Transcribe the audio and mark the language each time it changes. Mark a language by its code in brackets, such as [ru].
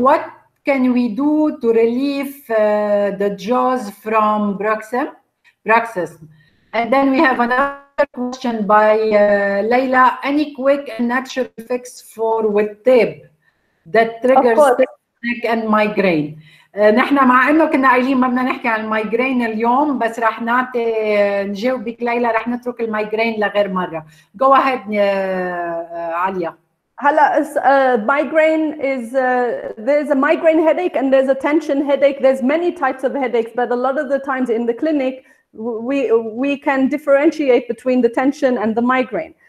[en] What can we do to relieve the jaws from bruxism? And then we have another question by Leila. Any quick and natural fix for with tape that triggers neck and migraine? [ar] نحن مع انه كنا قايلين ما بدنا نحكي عن المايجرين اليوم بس رح نعطي نجاوبك ليلى رح نترك المايجرين لغير مره. [en] Go ahead عليا. Hello, migraine is there's a migraine headache and there's a tension headache. There's many types of headaches, but a lot of the times in the clinic, we can differentiate between the tension and the migraine.